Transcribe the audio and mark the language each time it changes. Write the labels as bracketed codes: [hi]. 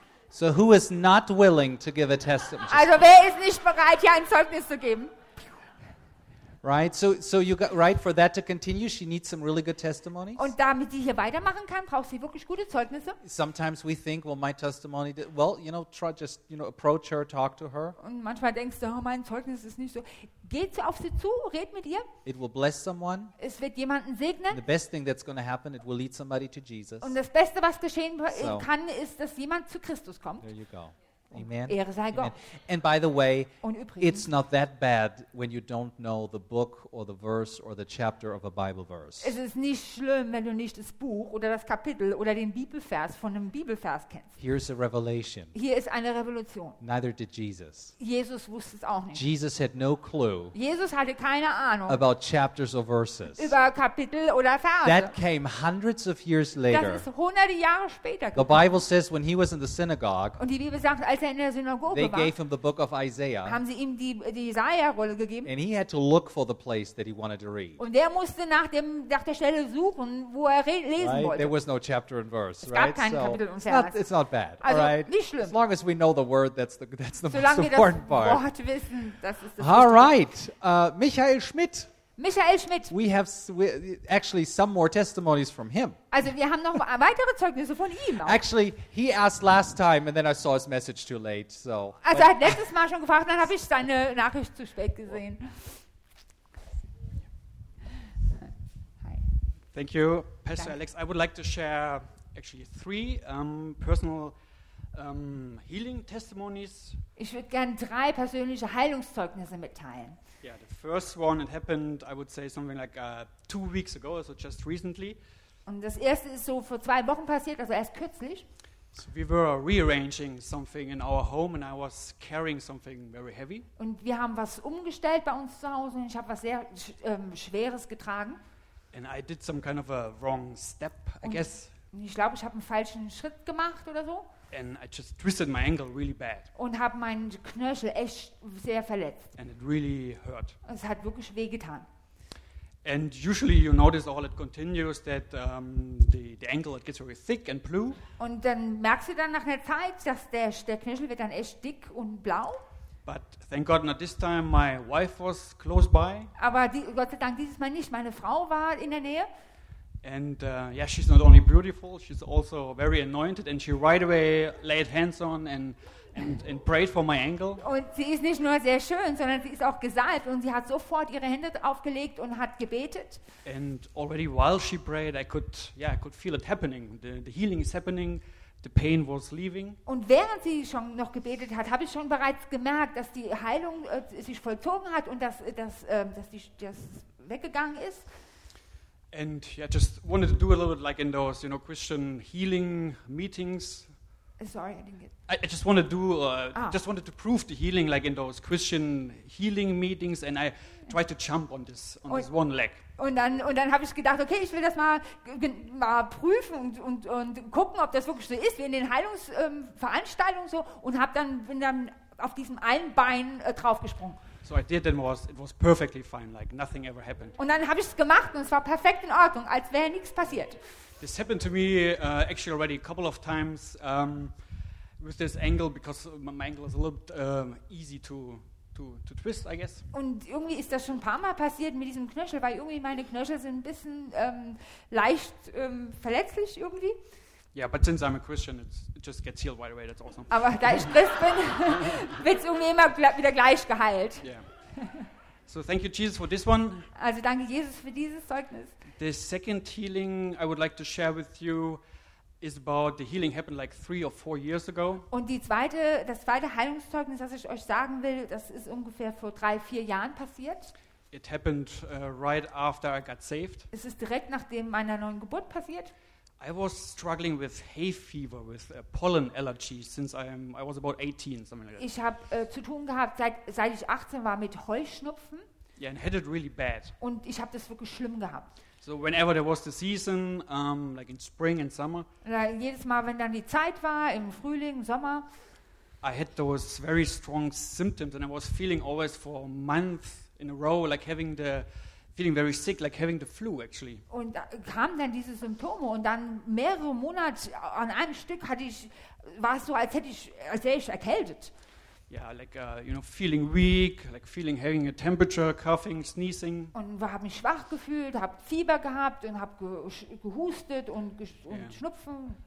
[en] So who is not willing to give a testimony? [de] Also wer ist nicht bereit, hier ein Zeugnis zu geben? [en] Right, so you got right for that to continue. She needs some really good testimonies. [de] Und damit sie hier weitermachen kann, braucht sie wirklich gute Zeugnisse. [en] Sometimes we think, well, my testimony. Try approach her, talk to her. [de] Und manchmal denkst du, oh, mein Zeugnis ist nicht so. Geht auf sie zu, red mit ihr. [en] It will bless someone. [de] Es wird jemanden segnen. [en] And the best thing that's going to happen, it will lead somebody to Jesus. [de] Und das Beste, was geschehen kann, ist, dass jemand zu Christus kommt. [en] There you go. Amen. [de] Ehre sei Gott. [en] And by the way, it's not that bad when you don't know the book or the verse or the chapter of a Bible verse. [de] Es ist nicht schlimm, wenn du nicht das Buch oder das Kapitel oder den Bibelvers von einem Bibelvers kennst. [en] Here's a revelation. [de] Hier ist eine Revolution. [en] Neither did Jesus. [de] Jesus wusste es auch nicht. [en] Jesus had no clue. [de] Jesus hatte keine Ahnung [en] about chapters or verses. [de] Über Kapitel oder Verse. [en] That came hundreds of years later. [de] Das ist hunderte Jahre später gekommen. [en] The Bible says when he was in the synagogue. [de] Und die Bibel sagt, als er in der Synagoge [en] they [de] war, [en] gave him the book of Isaiah, [de] haben sie ihm die Jesaja-Rolle gegeben. [en] And he had to look for the place that he wanted to read. [de] Und er musste nach der Stelle suchen, wo er lesen [en] right? [de] wollte. [en] There was no chapter and verse, [de] es gab [en] right? [de] kein so Kapitel und Vers. [en] It's not bad, [de] also, [en] right? [de] Nicht schlimm. [en] As long as we know the word, that's the [de] solange [en] most important [de] wir das Wort [en] part. [de] Wissen, das ist das [en] All right, Michael Schmidt. [de] Michael Schmidt. [en] We actually some more testimonies from him. [de] Also wir haben noch weitere Zeugnisse von ihm. Auch. [en] Actually, he asked last time and then I saw his message too late. So. [de] Also er hat letztes Mal schon gefragt, dann habe ich seine Nachricht zu spät gesehen. [en] Hi. Thank you, Pastor [de] Danke. [en] Alex. I would like to share actually three personal healing testimonies. [de] Ich würde gerne drei persönliche Heilungszeugnisse mitteilen. [en] Yeah, the first one, it happened, I would say, something like 2 weeks ago, so just recently. [de] Und das erste ist so vor 2 Wochen passiert, also erst kürzlich. [en] So we were rearranging something in our home and I was carrying something very heavy. [de] Und wir haben was umgestellt bei uns zu Hause und ich habe was sehr Schweres getragen. [en] And I did some kind of a wrong step, I [de] und [en] guess. [de] Ich glaube, ich habe einen falschen Schritt gemacht oder so. [en] And I just twisted my ankle really bad. [de] Und habe meinen Knöchel echt sehr verletzt. [en] And it really hurt. [de] Es hat wirklich weh getan. [en] And usually you notice all it continues that the ankle it gets very thick and blue. [de] Und dann merkst du dann nach einer Zeit, dass der Knöchel wird dann echt dick und blau. [en] But thank God not this time my wife was close by. [de] Aber Gott sei Dank dieses Mal nicht, meine Frau war in der Nähe. [en] And yeah, she's not only beautiful, she's also very anointed, and she right away laid hands on and prayed for my ankle. [de] Und sie ist nicht nur sehr schön, sondern sie ist auch gesalbt und sie hat sofort ihre Hände aufgelegt und hat gebetet. [en] And already while she prayed, I could feel it happening. The healing is happening. The pain was leaving. [de] Und während sie schon noch gebetet hat, habe ich schon bereits gemerkt, dass die Heilung sich vollzogen hat und dass das weggegangen ist. [en] And yeah, just wanted to do a little bit like in those, you know, Christian healing meetings. Sorry, I didn't get. I just wanted to prove the healing like in those Christian healing meetings, and I tried to jump on this one leg. [de] Und dann habe ich gedacht, okay, ich will das mal prüfen und gucken, ob das wirklich so ist, wie in den Heilungsveranstaltungen und bin dann auf diesem einen Bein draufgesprungen. [en] So I did, and it was perfectly fine, like nothing ever happened. [de] Und dann habe ich es gemacht und es war perfekt in Ordnung, als wäre nichts passiert. [en] This happened to me actually already a couple of times with this angle, because my angle is a little bit easy to twist, I guess. [de] Und irgendwie ist das schon ein paar Mal passiert mit diesem Knöchel, weil irgendwie meine Knöchel sind ein bisschen leicht verletzlich irgendwie. [en] Yeah, but since I'm a Christian, it just gets healed right away. That's awesome. [de] Aber da ich Christ bin, wird's irgendwie immer wieder gleich geheilt. [en] Yeah. So thank you, Jesus, for this one. [de] Also danke Jesus für dieses Zeugnis. [en] The second healing I would like to share with you is about the healing happened like 3 or 4 years ago. [de] Und die zweite, das zweite Heilungszeugnis, das ich euch sagen will, das ist ungefähr vor 3-4 Jahren passiert. [en] It happened right after I got saved. [de] Es ist direkt nachdem meiner neuen Geburt passiert. [en] I was struggling with hay fever, with pollen allergies, since I was about 18, something like that. [de] Ich habe zu tun gehabt, seit ich 18 war, mit Heuschnupfen. [en] Yeah, and had it really bad. [de] Und ich habe das wirklich schlimm gehabt. [en] So whenever there was the season, like in spring and summer. [de] Jedes Mal, wenn dann die Zeit war, im Frühling, Sommer. [en] I had those very strong symptoms, and I was feeling always for a month in a row, like having the feeling very sick, like having the flu actually. [de] Und kamen dann diese Symptome und dann mehrere Monate an einem Stück hatte ich, war es so, als wäre ich erkältet. [en] Yeah, like you know, feeling weak, like feeling having a temperature, coughing, sneezing. [de] Und ich habe mich schwach gefühlt, habe Fieber gehabt und habe gehustet und Schnupfen.